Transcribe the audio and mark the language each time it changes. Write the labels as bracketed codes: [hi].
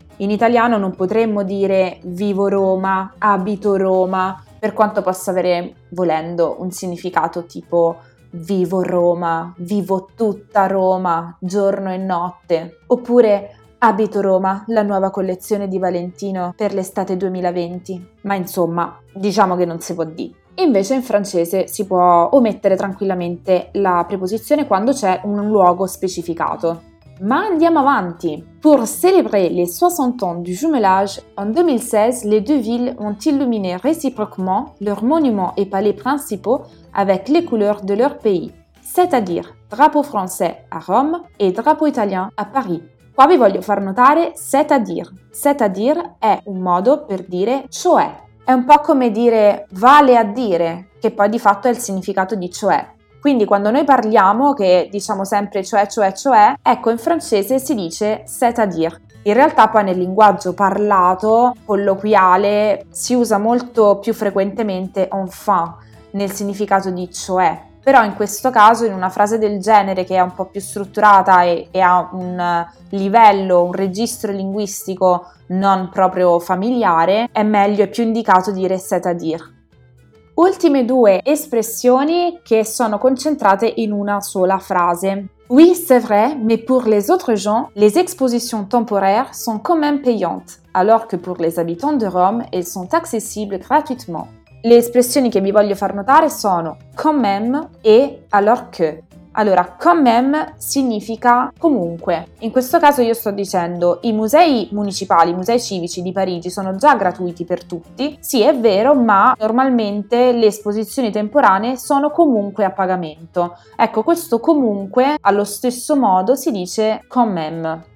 [it] In italiano non potremmo dire vivo Roma, abito Roma, per quanto possa avere, volendo, un significato tipo vivo Roma, vivo tutta Roma, giorno e notte. Oppure abito Roma, la nuova collezione di Valentino per l'estate 2020. Ma insomma, diciamo che non si può dire. Invece in francese si può omettere tranquillamente la preposizione quando c'è un luogo specificato. Ma andiamo avanti! [fr] Pour célébrer les 60 ans du jumelage, en 2016, les deux villes ont illuminé réciproquement leurs monuments et palais principaux avec les couleurs de leur pays, c'est-à-dire drapeau français à Rome et drapeau italien à Paris. [it] Qua vi voglio far notare [fr] c'est-à-dire. C'est-à-dire [it] è un modo per dire cioè. È un po' come dire vale a dire, che poi di fatto è il significato di cioè. Quindi quando noi parliamo, che diciamo sempre cioè, cioè, cioè, ecco, in francese si dice [fr] c'est-à-dire. [it] In realtà poi nel linguaggio parlato, colloquiale, si usa molto più frequentemente enfin, nel significato di cioè. Però in questo caso, in una frase del genere che è un po' più strutturata e ha un livello, un registro linguistico non proprio familiare, è meglio e più indicato dire [fr] c'est-à-dire. [it] Ultime due espressioni che sono concentrate in una sola frase. [fr] Oui, c'est vrai, mais pour les autres gens, les expositions temporaires sont quand même payantes, alors que pour les habitants de Rome, elles sont accessibles gratuitement. [it] Le espressioni che vi voglio far notare sono [fr] quand même [it] e [fr] alors que. [it] Allora, [fr] quand même [it] significa comunque. In questo caso io sto dicendo i musei municipali, i musei civici di Parigi sono già gratuiti per tutti. Sì, è vero, ma normalmente le esposizioni temporanee sono comunque a pagamento. Ecco, questo comunque allo stesso modo si dice [fr] quand même.